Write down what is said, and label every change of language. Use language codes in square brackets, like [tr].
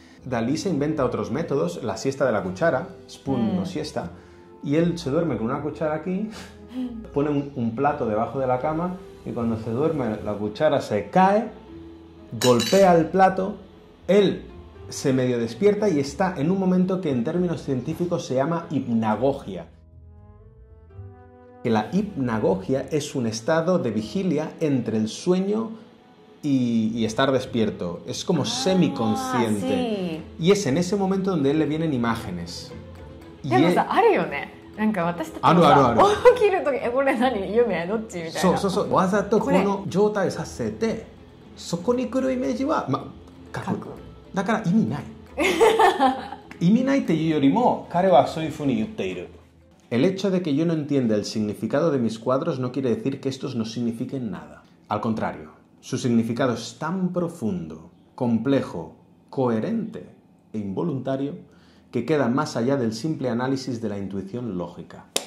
[es] Dalí se inventa otros métodos, la siesta de la cuchara, [ja] spoon no siesta, [es] y él se duerme con una cuchara aquí, pone un plato debajo de la cama, y cuando se duerme la cuchara se cae, golpea el plato, él se medio despierta y está en un momento que en términos científicos se llama hipnagogia. Que la hipnagogia es un estado de vigilia entre el sueño y estar despierto. Es como semiconsciente. Sí. Y es en ese momento donde él le vienen imágenes. [ja] でもさ、あるよね。なんか私たちがあるあるある起きるとき、これ何夢どっちみたいな。そうそうそう。わざとこの状態させて、そこに来るイメージは、ま、書く。だから意味ない。意味ないっていうよりも、彼はそういうふうに言っている。 [es] El hecho de que yo no entienda el significado de mis cuadros no quiere decir que estos no signifiquen nada. Al contrario, su significado es tan profundo, complejo, coherente e involuntario que queda más allá del simple análisis de la intuición lógica.